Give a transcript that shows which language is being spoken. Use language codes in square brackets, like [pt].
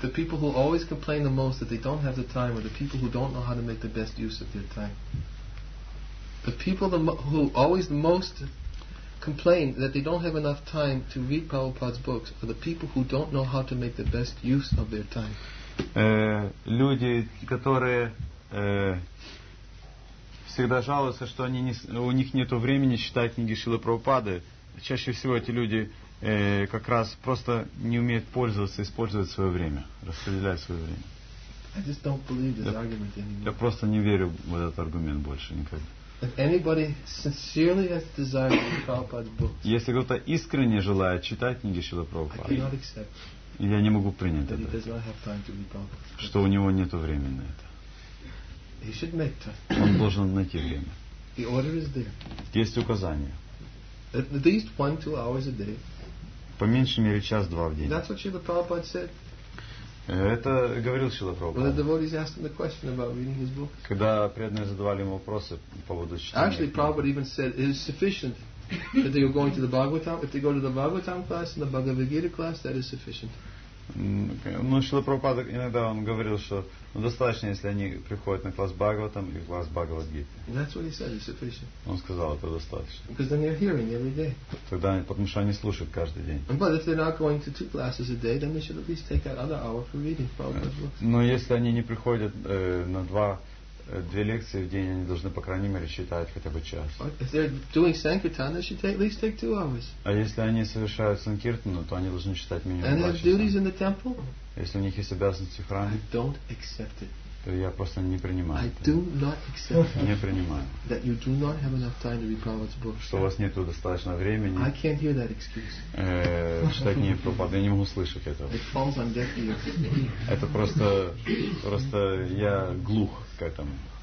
[en] The people who always complain the most that they don't have the time are the people who don't know how to make the best use of their time. The people who always the most complain that they don't have enough time to read Prabhupada's books are the people who don't know how to make the best use of their time. [ru] Люди, которые всегда жалуются, что они не, у них нету времени читать книги Шрилы Прабхупады. Чаще всего эти люди как раз просто не умеют пользоваться, использовать свое время, распределять свое время. [en] I just don't believe this argument anymore. [ru] Я просто не верю в этот аргумент больше никогда. [en] If anybody sincerely has the desire to read Prabhupada's books, [ru] если кто-то искренне желает читать книги Шрилы Прабхупады, [en] I cannot accept. [ru] Я не могу принять [en] that [ru] это. [en] He does not have time to read Prabhupada's books. [ru] Что у него нету времени на это. [en] He should make time. [ru] Он должен найти время. [en] The order is there. [ru] Есть указание. [en] At least 1-2 hours a day. [ru] По меньшей мере час-два в день. [en] That's what Srila Prabhupada said. [ru] Это говорил Шрила Прабхупада. Когда преданные задавали ему вопросы по поводу чтения. [en] Actually, Prabhupada even said it is sufficient that they are going to the Bhagavatam. If they go to the Bhagavatam class and the Bhagavad Gita class, that is sufficient. [ru] Но Шрила Прабхупада иногда он говорил, что достаточно, если они приходят на класс Бхагаватам и класс Бхагавад Гиты. [en] That's what he said, it's sufficient. [ru] Он сказал, это достаточно. [en] Because then they're hearing every day. [ru] Тогда, потому что они слушают каждый день. [en] But if they're not going to two classes a day, then they should at least take that other hour for reading Prabhupada's books. [ru] Но если они не приходят на две лекции в день, они должны по крайней мере читать хотя бы час. [en] If they're doing sankirtan, they should at least take 2 hours. [ru] А если они совершают санкиртану, то они должны читать минимум 2 часа. [en] And have duties in the temple? [ru] Если у них есть обязанности в храме, [en] I don't accept it. [ru] То я просто не принимаю. [en] I do not accept it. [ru] Не принимаю. [en] That you do not have enough time to read Prabhupada's books. [ru] Что у вас нету достаточно времени. [en] I can't hear that excuse. [ru] Читать не Прабхупада, я не могу слышать этого. [en] It falls on deaf ears. [ru] Это просто я глух к этому.